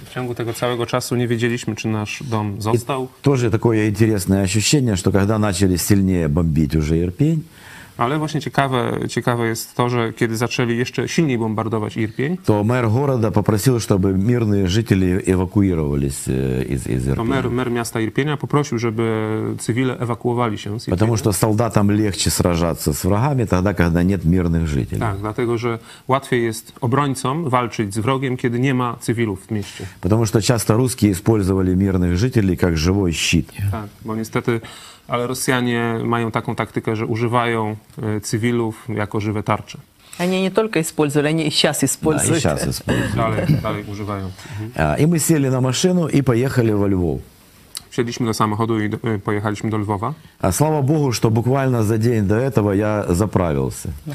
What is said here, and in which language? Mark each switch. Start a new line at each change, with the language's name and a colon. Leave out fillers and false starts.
Polish: W ciągu tego całego czasu nie wiedzieliśmy, czy nasz dom został.
Russian: Тоже такое интересное ощущение, что когда начали сильнее бомбить уже Ирпень,
Polish: Ale właśnie ciekawe, ciekawe jest to, że kiedy zaczęli jeszcze silniej bombardować Irpień,
Russian: to mer города попросил, чтобы мирные жители эвакуировались из Ирпеня.
Polish: To mer miasta Irpienia poprosił, żeby cywile ewakuowali się z Irpienia.
Russian: Потому что солдатам легче сражаться с врагами тогда, когда нет мирных жителей.
Polish: Tak, dlatego że łatwiej jest obrońcom walczyć z wrogiem, kiedy nie ma cywilów w mieście.
Russian: Потому что часто русские использовали мирных жителей как живой щит.
Polish: Tak, bo niestety, ale Rosjanie mają taką taktykę, że używają cywilów jako żywe tarcze.
Russian: Они не только использовали, они и сейчас используют. Да, и сейчас используют.
Polish: Далее używają.
Russian: И мы сели на машину и поехали во Львов.
Polish: Wsiedliśmy do samochodu i pojechaliśmy do Lwowa.
Russian: A слава Богу, что буквально за день до этого я заправился.